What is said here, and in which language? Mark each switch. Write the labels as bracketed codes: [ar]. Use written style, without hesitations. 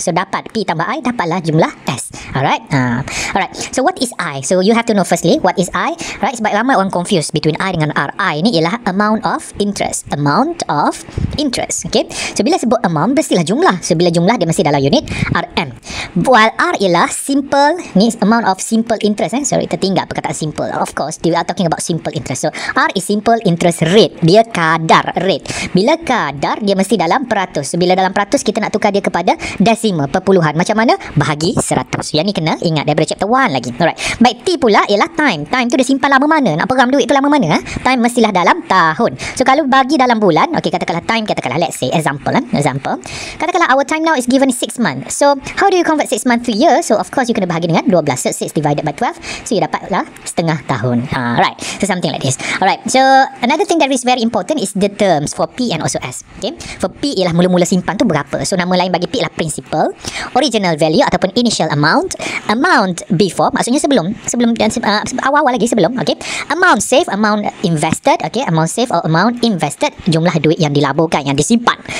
[ms] So dapat P tambah I, dapatlah jumlah S. [en] Alright, alright, so what is I? So you have to know firstly, what is I? [ms] Right, sebab ramai orang confused between I dengan R. I ni ialah [en] amount of interest, amount of interest. [ms] Okay, so bila sebut amount, mestilah jumlah. So bila jumlah, dia mesti dalam unit RM. While R ialah simple, ni [en] amount of simple interest, [ms] sorry, tertinggal perkataan simple. [en] Of course, we are talking about simple interest. So R is simple interest rate, [ms] dia kadar rate. Bila kadar, dia mesti dalam peratus. So bila dalam peratus, kita nak tukar dia kepada desimal, perpuluhan. Macam mana? Bahagi 100. Yang ni kena ingat daripada chapter 1 lagi. Alright, baik, T pula ialah time. Time tu dia simpan lama mana, nak peram duit tu lama mana, time mestilah dalam tahun. So kalau bagi dalam bulan, [en] okay, katakanlah time, katakanlah let's say example, example, katakanlah our time now is given 6 months. So how do you convert 6 months to year? So of course [ms] you kena bahagi dengan 12, [en] so 6 divided by 12, [ms] so you dapatlah setengah tahun. [en] Alright, so something like this. Alright, so another thing that is very important is the terms for P and also S. [ms] Okay, for P ialah mula-mula simpan tu berapa. So nama lain bagi P ialah principal, [en] original value [ms] ataupun [en] initial amount, amount before, [ms] maksudnya sebelum dan awal-awal lagi sebelum. [en] Okay, amount saved, amount invested. Okay, amount saved or amount invested, [ms] jumlah duit yang dilaburkan, yang disimpan.